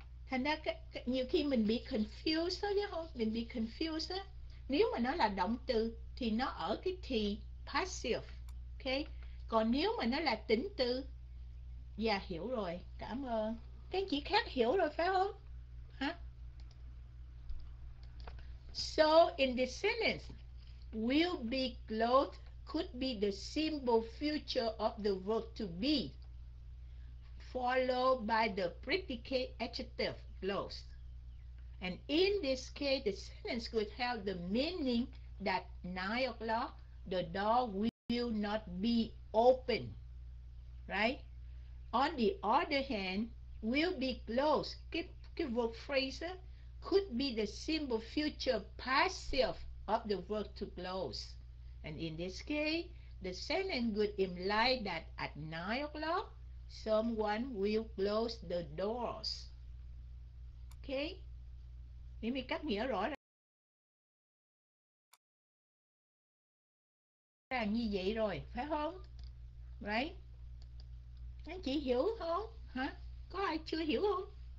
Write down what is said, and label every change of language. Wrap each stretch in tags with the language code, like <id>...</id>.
<vi>Thành ra nhiều khi mình bị confused đó chứ không? Mình bị confused đó. Nếu mà nó là động từ thì nó ở cái thì passive. Ok. Còn nếu mà nó là tính từ. Dạ yeah, hiểu rồi. Cảm ơn. Các anh chị khác hiểu rồi phải không? Hả?</vi> <en>So in this sentence, will be clothed could be the simple future of the verb to be, followed by the predicate adjective close. And in this case, the sentence could have the meaning that 9 o'clock, the door will not be open. Right? On the other hand, will be close, cái verb phrase, could be the simple future passive of the verb to close. And in this case, the sentence would imply that at 9 o'clock, someone will close the doors. Okay?</en> <vi>Mình mới cắt nghĩa rõ ràng như vậy rồi, phải không? Right? Anh chị hiểu không? Hả? Có ai chưa hiểu không?</vi>